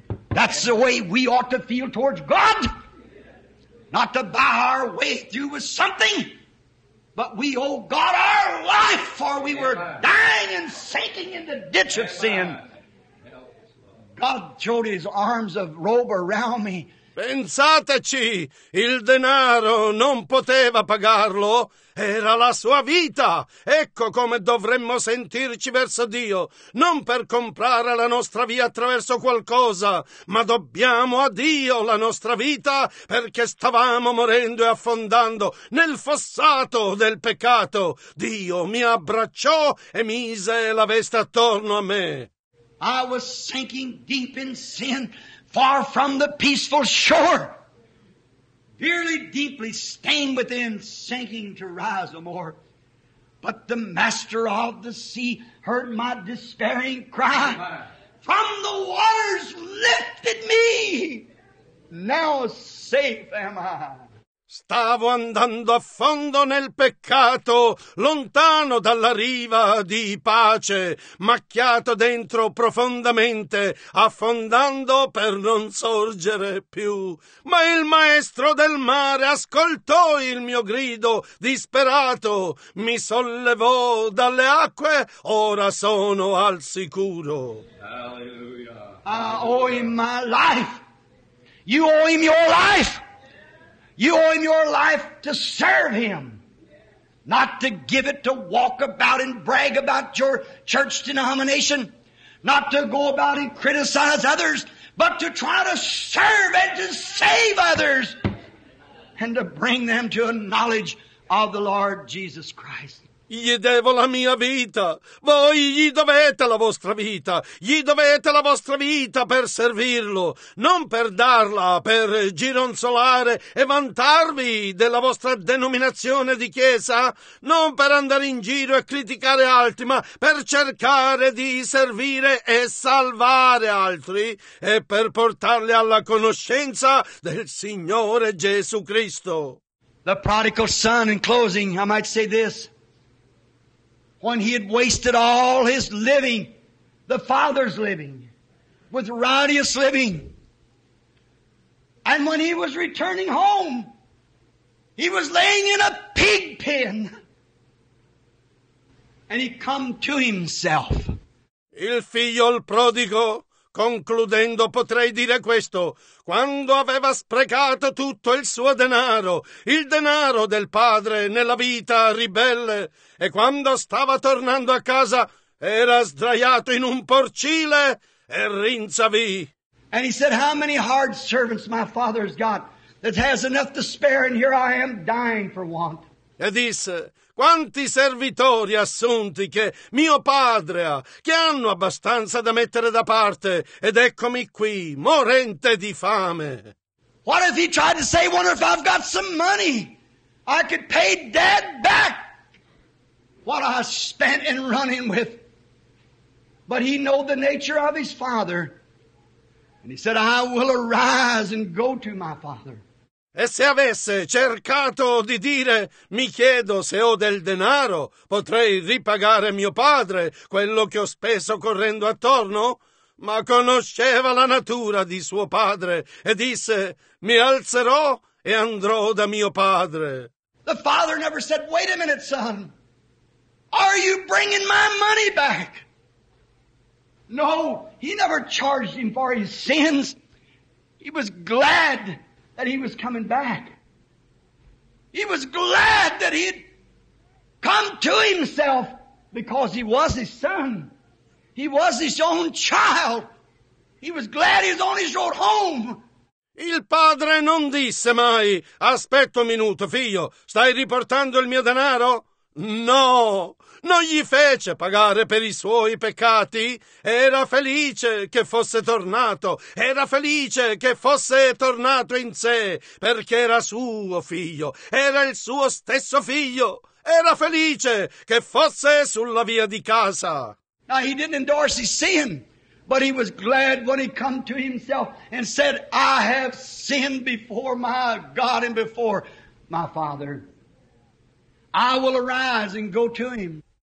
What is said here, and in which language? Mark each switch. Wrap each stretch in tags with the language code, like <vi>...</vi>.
<en>That's the way we ought to feel towards God. Not to buy our way through with something, but we owe God our life, for we were dying and sinking in the ditch of sin. God showed his arms of robe around me.</en> <it>Pensateci, il denaro non poteva pagarlo, era la sua vita. Ecco come dovremmo sentirci verso Dio, non per comprare la nostra via attraverso qualcosa, ma dobbiamo a Dio la nostra vita perché stavamo morendo e affondando nel fossato del peccato. Dio mi abbracciò e mise la veste attorno a me.</it> <en>I was sinking deep in sin. Far from the peaceful shore, dearly, deeply stained within, sinking to rise no more. But the master of the sea heard my despairing cry. From the waters lifted me. Now safe am I.</en> <it>Stavo andando a fondo nel peccato, lontano dalla riva di pace, macchiato dentro profondamente, affondando per non sorgere più. Ma il maestro del mare ascoltò il mio grido disperato, mi sollevò dalle acque, ora sono al sicuro. Alleluia.</it> <en>I owe him my life. You owe him your life. You owe him your life to serve him, not to give it to walk about and brag about your church denomination, not to go about and criticize others, but to try to serve and to save others and to bring them to a knowledge of the Lord Jesus Christ.</en> <it>Gli devo la mia vita. Voi gli dovete la vostra vita. Gli dovete la vostra vita per servirlo, non per darla, per gironzolare e vantarvi della vostra denominazione di chiesa, non per andare in giro e criticare altri, ma per cercare di servire e salvare altri e per portarli alla conoscenza del Signore Gesù Cristo.</it> <en>The prodigal son, in closing, I might say this. When he had wasted all his living, the father's living, with riotous living. And when he was returning home, he was laying in a pig pen. And he come to himself.</en> <it>Il figlio il prodigo. Concludendo potrei dire questo, quando aveva sprecato tutto il suo denaro, il denaro del padre nella vita ribelle, e quando stava tornando a casa era sdraiato in un porcile e rinzavì.</it> <en>And he said, how many hard servants my father has got that has enough to spare and here I am dying for want.</en> <it>E disse, quanti servitori assunti che mio padre ha, che hanno abbastanza da mettere da parte, ed eccomi qui, morente di fame.</it> <en>What if he tried to say, wonder if I've got some money, I could pay dad back what I spent in running with. But he knew the nature of his father, and he said, I will arise and go to my father.</en> <it>E se avesse cercato di dire, mi chiedo se ho del denaro, potrei ripagare mio padre quello che ho speso correndo attorno? Ma conosceva la natura di suo padre e disse, mi alzerò e andrò da mio padre.</it> <en>The father never said, wait a minute, son. Are you bringing my money back? No, he never charged him for his sins. He was glad that he was coming back. He was glad that he had come to himself because he was his son. He was his own child. He was glad he was on his road home.</en> <it>Il padre non disse mai, aspetta un minuto, figlio, stai riportando il mio denaro? No, non gli fece pagare per i suoi peccati. Era felice che fosse tornato. Era felice che fosse tornato in sé, perché era suo figlio. Era il suo stesso figlio. Era felice che fosse sulla via di casa.</it> <en>Now he didn't endorse his sin, But he was glad when he come to himself and said, I have sinned before my God and before my Father. I will arise and go to him.</en>